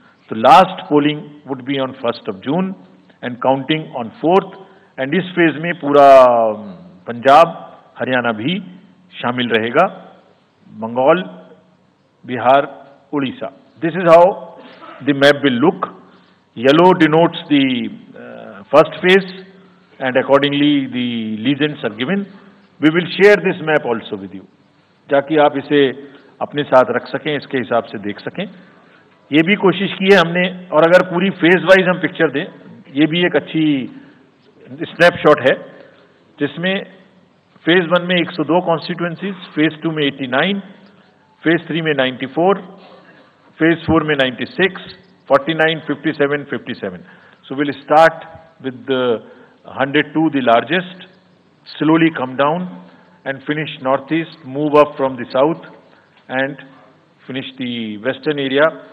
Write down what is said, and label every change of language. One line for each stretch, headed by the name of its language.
English: The last polling would be on 1st of June and counting on 4th, and this phase
Hindi: mein pura Punjab, Haryana bhi shamil rahega,
English: Bengal, Bihar, Odisha. This is how the map will look. Yellow denotes the first phase, and accordingly the legends are given. We will share this map also with you.
Hindi: ताकि आप इसे अपने साथ रख सकें, इसके हिसाब से देख सकें. ये भी कोशिश की है हमने, और अगर पूरी फेज वाइज हम पिक्चर दें, ये भी एक अच्छी स्नैपशॉट है, जिसमें फेज वन में 102 कॉन्स्टिट्यूएंसीज, फेज टू में 89, फेज थ्री में 94, फेज फोर में 96, 49, 57, 57.
English: So will start with 102 the largest, slowly come down and finish northeast, move up from the south and finish the western area.